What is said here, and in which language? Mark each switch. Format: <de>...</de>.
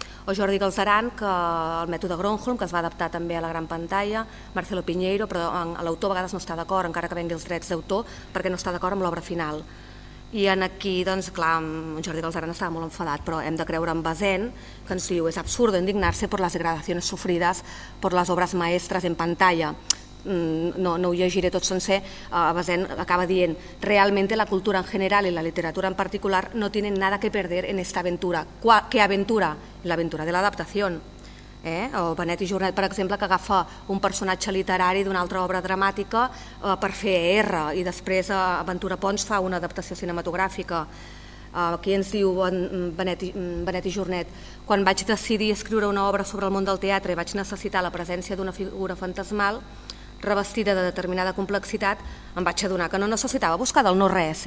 <ca>O Jordi Galzeran, que el mètode Gronholm, que es va adaptar també a la gran pantalla, Marcelo Piñeiro, però l'autor a vegades no està d'acord, encara que vengui els drets d'autor, perquè no està d'acord amb l'obra final. I aquí, doncs, clar, en Jordi Galzeran estava molt enfadat, però hem de creure en Bazén, que ens diu, és absurdo indignar-se per les degradacions sofrides per les obres maestres en pantalla. No ho llegiré tot sencer, Bazén acaba dient,</ca> <es>realmente la cultura en general y la literatura en particular no tienen nada que perder en esta aventura. ¿Qué aventura?</es> <ca>L'aventura de l'adaptació. O Benet i Jornet, per exemple, que agafa un personatge literari d'una altra obra dramàtica per fer ER, i després Ventura Pons fa una adaptació cinematogràfica. Aquí ens diu Benet i Jornet, quan vaig decidir escriure una obra sobre el món del teatre i vaig necessitar la presència d'una figura fantasmal revestida de determinada complexitat, em vaig adonar que no necessitava buscar del no-res.</ca>